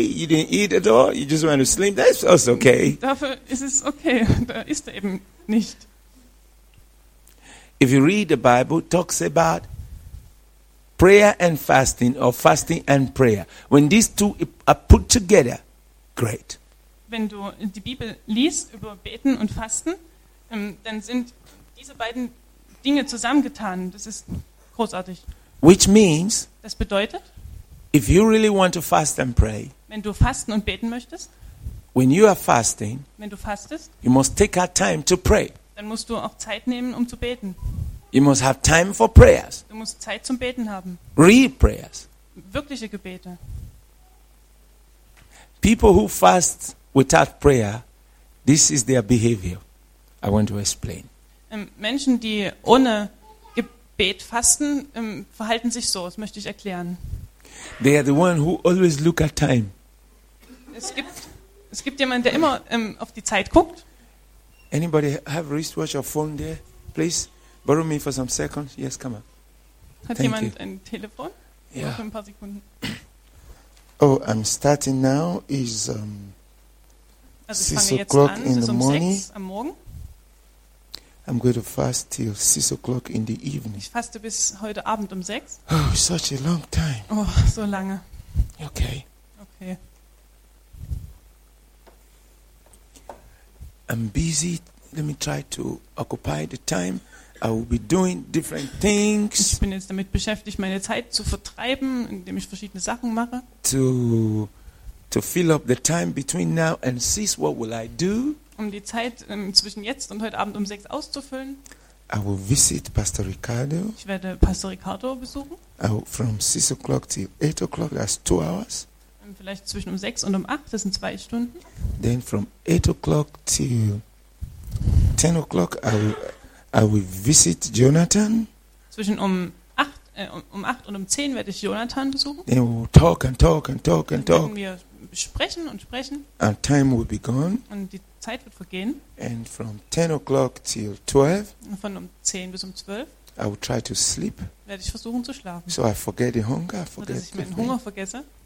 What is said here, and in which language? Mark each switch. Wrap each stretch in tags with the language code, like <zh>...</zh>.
<en>You didn't eat at all. You just want to slim. That's also okay.</en> <de>Dafür ist es okay. Da isst er eben nicht.</de> <en>If you read the Bible, it talks about prayer and fasting, or fasting and prayer. When these two are put together, great.</en> <de>Wenn du die Bibel liest über Beten und Fasten, dann sind diese beiden Dinge zusammengetan. Das ist großartig.</de> <en>Which means,</en> <de>das bedeutet,</de> <en>if you really want to fast and pray,</en> <de>wenn du fasten und beten möchtest,</de> <en>when you are fasting,</en> <de>wenn du fastest,</de> <en>you must take out time to pray.</en> <de>Dann musst du auch Zeit nehmen, um zu beten.</de> <en>You must have time for prayers.</en> <de>Du musst Zeit zum Beten haben.</de> <en>Real prayers.</en> <de>Wirkliche Gebete.</de> <en>People who fast without prayer, this is their behavior. I want to explain.</en> <de>Menschen, die ohne Gebet fasten, verhalten sich so. Das möchte ich erklären.</de> <en>They are the one who always look at time.</en> <de>Es gibt jemanden, der immer auf die Zeit guckt.</de> <en>Anybody have wristwatch or phone there, please? Borrow me for some seconds. Yes, come on.</en> <de>Hat</de> <en>Thank</en> <de>jemand</de> <en>you.</en> <de>Ein Telefon?</de> <en>Yeah.</en> <de>Für ein paar Sekunden.</de> <en>Oh, I'm starting now. It's also 6 o'clock in the morning.</en> <de>Also ich fange jetzt an, es ist um 6 am Morgen.</de> <en>I'm going to fast till 6 o'clock in the evening.</en> <de>Ich faste bis heute Abend um 6.</de> <en>Oh, such a long time.</en> <de>Oh, so lange.</de> <en>Okay.</en> <de>Okay.</de> <en>I'm busy. Let me try to occupy the time. I will be doing different things.</en> <de>Ich bin jetzt damit beschäftigt, meine Zeit zu vertreiben, indem ich verschiedene Sachen mache.</de> <en>To fill up the time between now and six, what will I do?</en> <de>Um die Zeit zwischen jetzt und heute Abend um 6 auszufüllen.</de> <en>I will visit Pastor Ricardo.</en> <de>Ich werde Pastor Ricardo besuchen.</de> <en>From 6 o'clock till 8 o'clock, that's 2 hours.</en> <de>Vielleicht zwischen um 6 und um 8, das sind 2 Stunden.</de> <en>Then from 8 o'clock till 10 o'clock, I will visit Jonathan.</en> <de>Zwischen acht und um 10 werde ich Jonathan besuchen.</de> <en>Then we'll talk and talk and talk and talk.</en> <de>Dann werden wir sprechen und sprechen.</de> <en>And time will be gone.</en> <de>Und die Zeit wird vergehen.</de> <en>And from 10 o'clock till 12.</en> <de>Von um 10 bis um 12.</de> <en>I will try to sleep.</en> <de>Werde ich versuchen zu schlafen.</de> <en>So I forget the hunger. Forget</en> <de>dass ich meinen Hunger vergesse.</de>